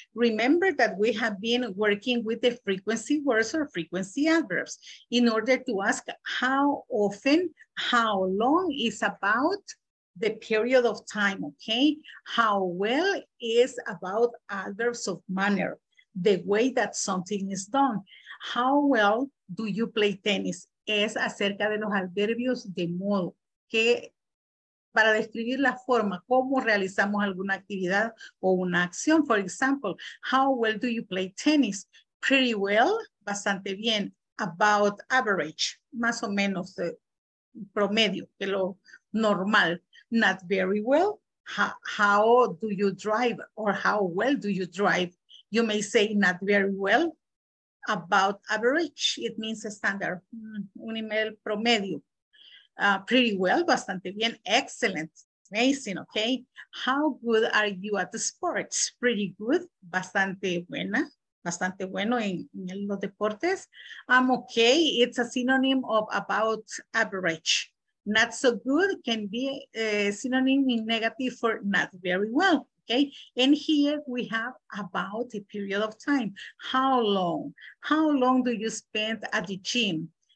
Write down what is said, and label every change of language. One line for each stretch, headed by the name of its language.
English: Remember that we have been working with the frequency words or frequency adverbs in order to ask how often, how long is about the period of time, okay? How well is about adverbs of manner, the way that something is done. How well do you play tennis?
Spanish: Es acerca de los adverbios de modo, que para describir la forma, cómo realizamos alguna actividad o una acción.
English: For example, how well do you play tennis? Pretty well,
Spanish: bastante bien.
English: About average,
Spanish: más o menos promedio, que lo normal.
English: Not very well. How do you drive or how well do you drive? You may say not very well. About average, it means a standard.
Spanish: Un email promedio.
English: Pretty well,
Spanish: bastante bien,
English: excellent, amazing, okay. How good are you at the sports? Pretty good,
Spanish: bastante buena, bastante bueno en los deportes.
English: I'm okay, it's a synonym of about average. Not so good can be a synonym in negative for not very well, okay? And here we have about a period of time. How long? How long do you spend at the gym?